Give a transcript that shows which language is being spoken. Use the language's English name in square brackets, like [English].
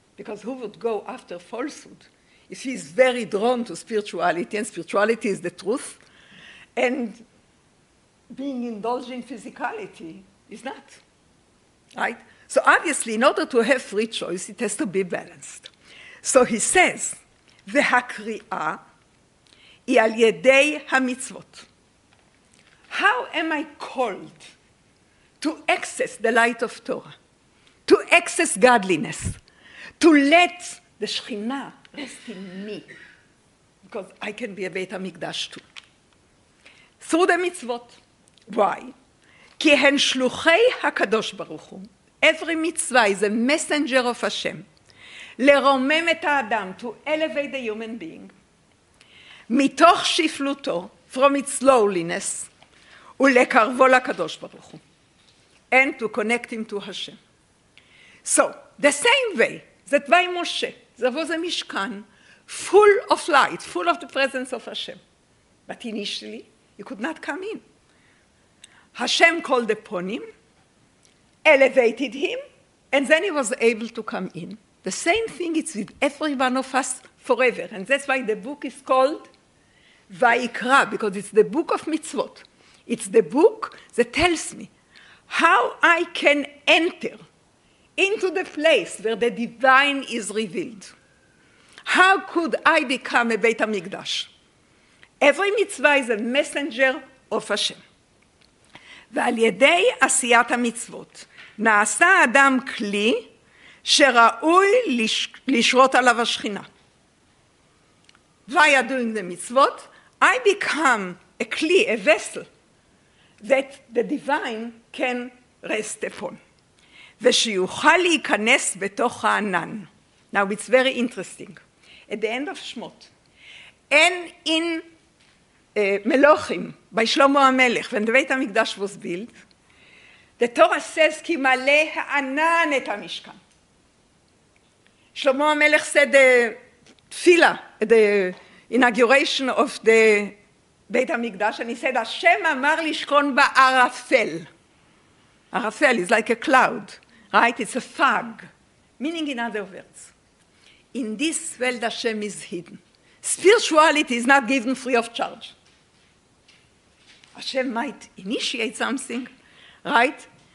[English] Because who would go after falsehood if he's very drawn to spirituality, and spirituality is the truth, and being indulged in physicality is not, right? So obviously, in order to have free choice, it has to be balanced. So he says, [Hebrew] והקריאה היא על ידי המצוות. [English] How am I called to access the light of Torah, to access godliness, to let the Shechina rest in me, because I can be a Beit HaMikdash too. Through the מצוות, why? [Hebrew] כי הן שלוחי הקדוש ברוך הוא. [English] Every מצווה is a messenger of Hashem. [Hebrew] לרומם את האדם, [English] to elevate the human being, [Hebrew] מתוך שפלותו, [English] from its lowliness, [Hebrew] ולקרבו לקדוש ברוך הוא, [English] and to connect him to Hashem. So, the same way that by Moshe, there was a Mishkan, full of light, full of the presence of Hashem, but initially, he could not come in. Hashem called upon him, elevated him, and then he was able to come in. The same thing is with every one of us forever. And that's why the book is called Vayikra, because it's the book of mitzvot. It's the book that tells me how I can enter into the place where the divine is revealed. How could I become a Beit HaMikdash? Every mitzvah is a messenger of Hashem. [Hebrew] ועל ידי עשיית המצוות, נעשה אדם כלי שראוי לשרות עליו השכינה. [English] Via doing the mitzvot, I become a clay, a vessel, that the divine can rest upon. [Hebrew] ושיוכל להיכנס בתוך הענן. [English] Now it's very interesting. At the end of Shmot, [Hebrew] אין אין מלוכים [English] by שלמה המלך, when the Beit HaMikdash was built, the Torah says, [Hebrew] כי מלא הענן את המשכן. שלמה המלך [English] said [Hebrew] תפילה, [English] the inauguration of the [Hebrew] בית המקדש, אני said, השם אמר לשכון בערפל. [English] ערפל is like a cloud, right? It's a fog. Meaning in other words, in this world השם is hidden. Spirituality is not given free of charge. השם might initiate something, right?